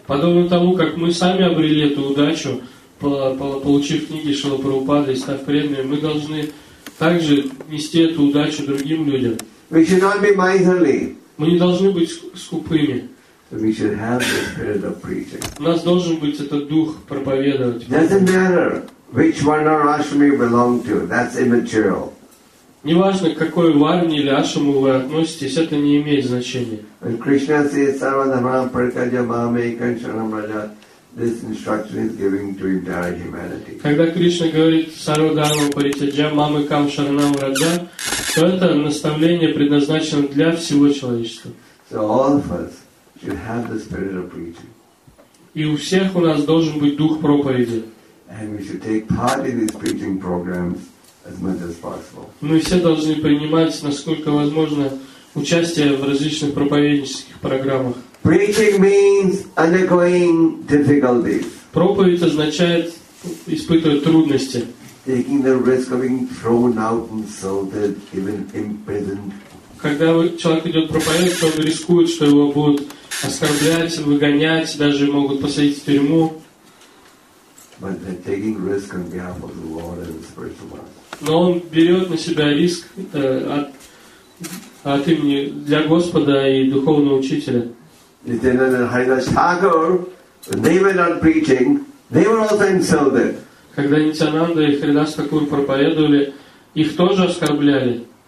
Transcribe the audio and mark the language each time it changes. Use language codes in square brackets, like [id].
[ru] Подобно тому, как мы сами обрели эту удачу, получив книги Шрилы Прабхупады и став преданными, мы должны также нести эту удачу другим людям. [en] We should not be miserly. [ru] Мы не должны быть скупыми. [en] We should have the spirit of preaching. [ru] У нас должен быть этот дух проповедовать. [en] Doesn't matter which varna or ashram you belong to. That's immaterial. [ru] Неважно, к какой варне или ашраму вы относитесь, это не имеет значения. [en] When Krishna says, [sa] "Sarvadharmam prakajamame ekansharam raja," [en] this instruction is giving to entire humanity. [ru] Когда Кришна говорит [sa] Сарвадхарма Паритяджамам Экамшаранам Раджа, [ru] то это наставление предназначено для всего человечества. [en] So all of us should have the spirit of preaching. [ru] И у всех у нас должен быть дух проповеди. [en] And we should take part in these preaching programs as much as possible. [ru] Мы все должны принимать, насколько возможно, участие в различных проповеднических программах. [en] Preaching means undergoing difficulties. [ru] Проповедь означает испытывать трудности. [en] Taking the risk of being thrown out, insulted, even imprisoned. [ru] Когда человек идет проповедовать, то он рискует, что его будут оскорблять, выгонять, даже могут посадить в тюрьму. [en] But they're taking risk on behalf of the Lord and the spiritual master. [ru] Но он берет на себя риск от имени для Господа и духовного учителя. [en] Nityananda and Haridas Thakur, when they were not preaching, they were also insulted. [ru] Когда Нитянанда и Харидас Такур проповедовали, их тоже оскорбляли.